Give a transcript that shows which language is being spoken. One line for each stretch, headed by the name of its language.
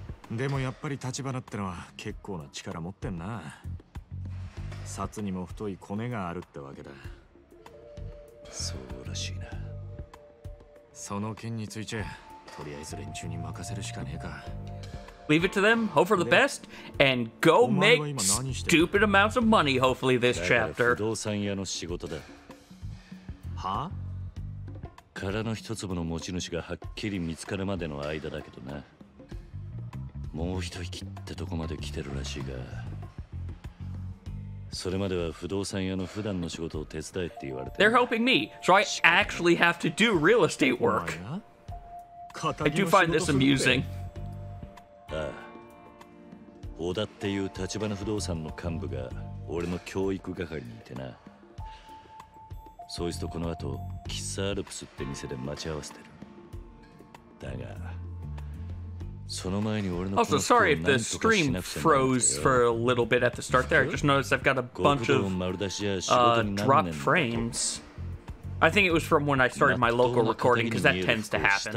Japanese: でもやっぱり立花ってのは結構な力持ってんな。札にも太いコネがあるってわけだ。そうらしいな。その件についてとりあえず連中に任せるしかねえか。
English: Leave it to them, hope for the best, and go make stupid amounts of money, hopefully, this chapter.
Japanese: 不動産屋の仕事だ。は？空の一粒の持ち主がはっきり見つかるまでの間だけどな。もう一息ってとこまで来てるらしいが。それまでは不動産屋の普段の仕事を手伝えって言われて。
English: They're helping me, so I actually have to do real estate work. I do find this amusing.
Japanese: ああ。小田っていう立花不動産の幹部が俺の教育係にいてな。そいつとこの後、キッサールプスって店で待ち合わせてる。だが、
English: Also, sorry if the stream froze for a little bit at the start there. I just noticed I've got a bunch of dropped frames. I think it was from when I started my local recording, because that tends to happen.